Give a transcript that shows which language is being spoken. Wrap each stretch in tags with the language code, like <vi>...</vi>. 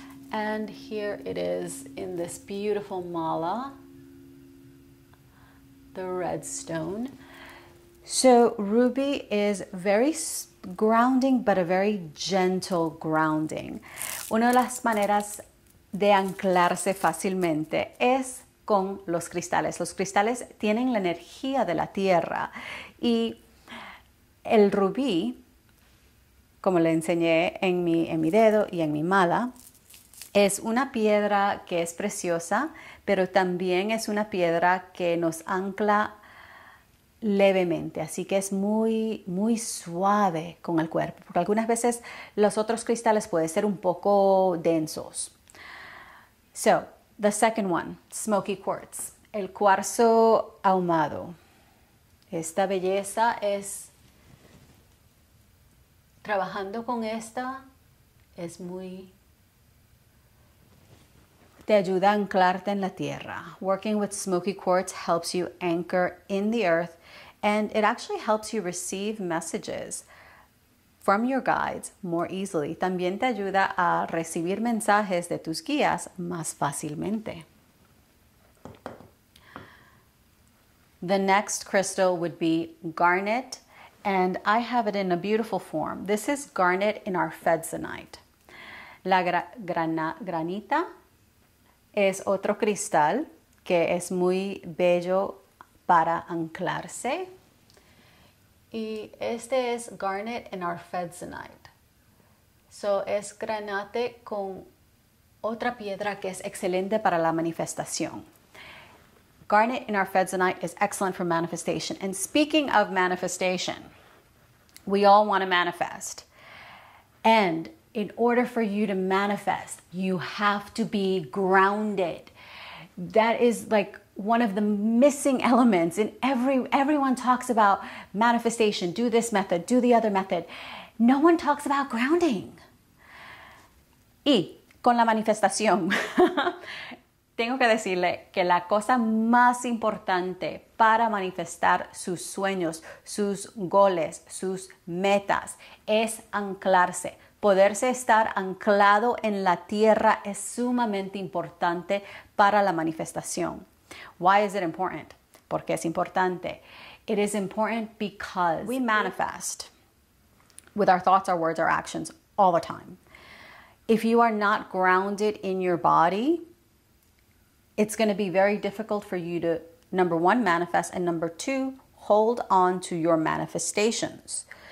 <en>And here it is in this beautiful mala, the red stone. So ruby is very grounding, but a very gentle grounding.</en> <es>Una de las maneras de anclarse fácilmente es con los cristales. Los cristales tienen la energía de la tierra, y el rubí, como le enseñé en mi dedo y en mi mala, es una piedra que es preciosa, pero también es una piedra que nos ancla levemente. Así que es muy, muy suave con el cuerpo. Porque algunas veces los otros cristales pueden ser un poco densos.</es> <en>So, the second one, smoky quartz.</en> <es>El cuarzo ahumado. Esta belleza es... Trabajando con esta es muy... Te ayuda a anclarte en la tierra.</es> <en>Working with smoky quartz helps you anchor in the earth, and it actually helps you receive messages from your guides more easily.</en> <es>También te ayuda a recibir mensajes de tus guías más fácilmente.</es> <en>The next crystal would be garnet, and I have it in a beautiful form. This is garnet in our fedsonite.</en> <es>La granita. Es otro cristal que es muy bello para anclarse. Y este es garnet and arfedsonite. So es granate con otra piedra que es excelente para la manifestación.</es> <en>Garnet and arfedsonite is excellent for manifestation. And speaking of manifestation, we all want to manifest. And in order for you to manifest, you have to be grounded. That is like one of the missing elements in everyone talks about manifestation, do this method, do the other method. No one talks about grounding.</en> <es>Y con la manifestación, tengo que decirle que la cosa más importante para manifestar sus sueños, sus goles, sus metas, es anclarse. Poderse estar anclado en la tierra es sumamente importante para la manifestación.</es> <en>Why is it important?</en> <es>¿Por qué es importante?</es> <en>It is important because we manifest with our thoughts, our words, our actions all the time. If you are not grounded in your body, it's going to be very difficult for you to, number one, manifest, and number two, hold on to your manifestations.</en>